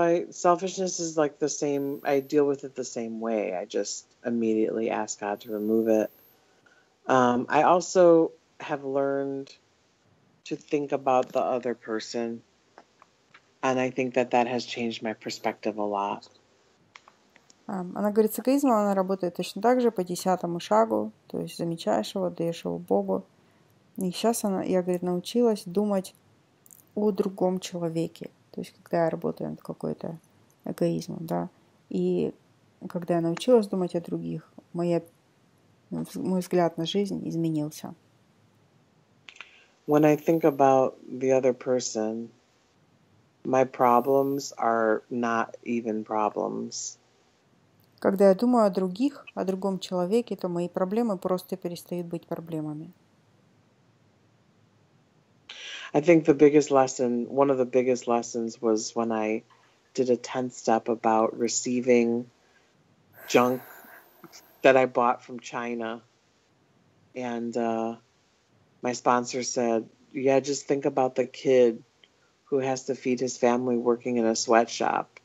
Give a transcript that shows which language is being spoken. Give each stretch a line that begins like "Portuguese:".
English: selfishness is like the same, I deal with it the same way. I just immediately ask God to remove it. I also have learned to think about the other person. And I think that that has changed my perspective a lot.
Russian: Она говорит, с эгоизмом она работает точно так же, по десятому шагу, то есть замечаешь его, даешь его Богу. И сейчас она, я, говорит, научилась думать о другом человеке. То есть когда я работаю над какой-то эгоизмом, да. И когда я научилась думать о других, мой взгляд на жизнь изменился.
English: When I think about the other person, my problems are not even problems.
Russian: Когда я думаю о других, о другом человеке, то мои проблемы просто перестают быть проблемами.
English: I think the biggest lesson, one of the biggest lessons was when I did a 10th step about receiving junk that I bought from China. And my sponsor said, yeah, just think about the kid who has to feed his family working in a sweatshop.